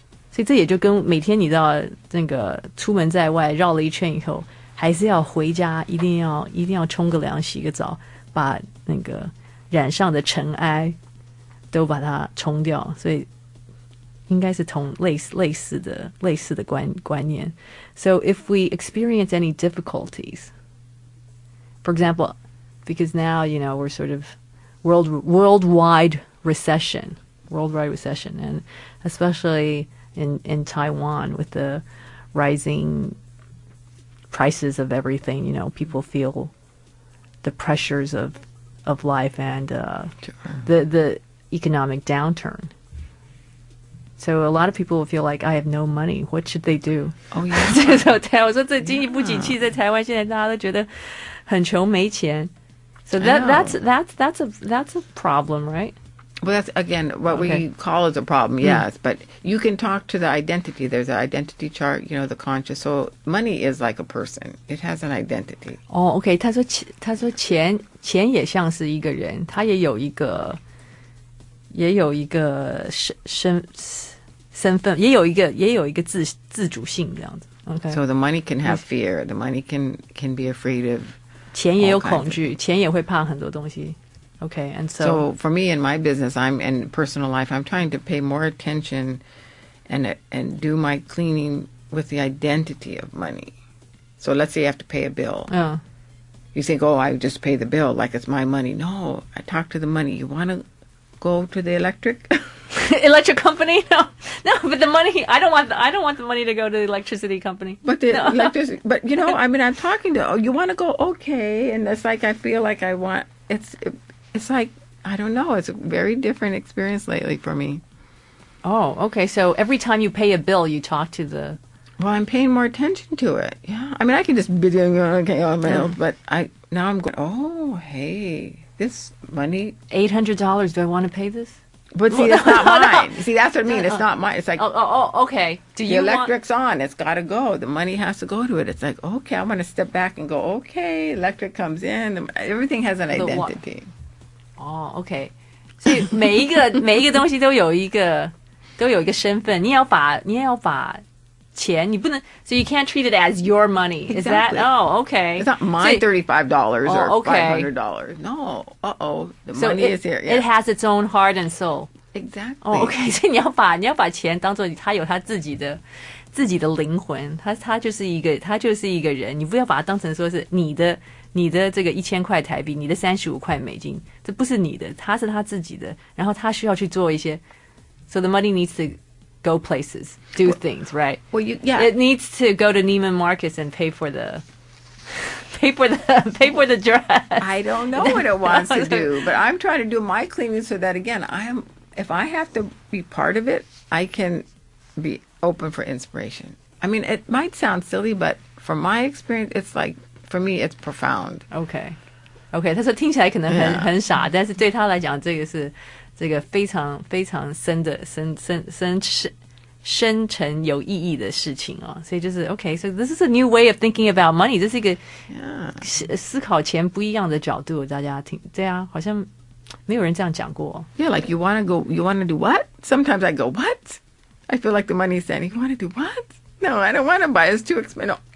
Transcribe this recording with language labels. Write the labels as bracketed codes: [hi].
[zh] 所以这也就跟每天你到那个出门在外绕了一圈以后，还是要回家，一定要冲个凉，洗个澡，把那个染上的尘埃都把它冲掉，所以应该是同类似的观念。 [en] So if we experience any difficulties, for example, because now, you know, we're sort of worldwide recession, and especially in Taiwan with the rising prices of everything, you know, people feel the pressures of life and the economic downturn. So a lot of people feel like, I have no money. What should they do? Oh, yeah. [zh] 所以我说这经济不景气在台湾现在大家都觉得很穷没钱。 [en] So that's a problem, right? Well, that's, again, what we call is a problem, yes. Mm. But you can talk to the identity. There's an identity chart, you know, the conscious. So money is like a person. It has an identity. Oh, okay. [zh] 他说钱也像是一个人，他也有一个身份，也有一个自主性这样子。 [en] Okay. So the money can have fear. The money can be afraid of. [zh] 钱也有恐惧，钱也会怕很多东西。 [en] Okay, and so. So for me in my business, I'm in personal life. I'm trying to pay more attention, and do my cleaning with the identity of money. So let's say you have to pay a bill. Yeah. You think, oh, I just pay the bill like it's my money. No, I talk to the money. You want to go to the electric company? No, but the money, I don't want the money to go to the electricity company. But the electricity, but you know, I mean, I'm talking to, oh, you want to go, okay. And it's like, I feel like I want, it's like, I don't know. It's a very different experience lately for me. Oh, okay. So every time you pay a bill, you talk to the... Well, I'm paying more attention to it. Yeah. I mean, I can just be doing okay on my own, but now I'm going, oh, hey, this money. $800, do I want to pay this? But see, that's not mine. See, that's what I mean. It's not mine. It's like, oh, okay. The electric's on. It's got to go. The money has to go to it. It's like, okay, I'm going to step back and go, okay, electric comes in. Everything has an identity. Oh, okay. [zh] So, 每一个东西都有一个身份。你要把钱，你不能 [en] ，so you can't treat it as your money. Is exactly. that? Oh, okay. It's not my $35 or $500. No. Uh oh. The so money is here. Yes. It has its own heart and soul. Exactly. Oh, okay. [zh] So 你要把钱当做它有它自己的灵魂，它就是一个人。你不要把它当成说是你的这个1000块台币，你的35块美金，这不是你的，它是它自己的。然后它需要去做一些 ， [en] so the money needs to go places, do things, right? Well, yeah. It needs to go to Neiman Marcus and pay for the dress. I don't know what it wants to do, but I'm trying to do my cleaning so that, again, if I have to be part of it, I can be open for inspiration. I mean, it might sound silly, but from my experience, it's like, for me, it's profound. Okay. [zh] 他说听起来可能很傻, 但是对他来讲,这个是这个非常非常深的深沉有意义的事情哦。所以就是, [en] okay, so this is a new way of thinking about money. [zh] 这是一个思考钱不一样的角度, 大家听, 对啊, 好像没有人这样讲过。 [en] Yeah, like you want to do what? Sometimes I go, what? I feel like the money is saying, you want to do what? No, I don't want to buy, it's too expensive.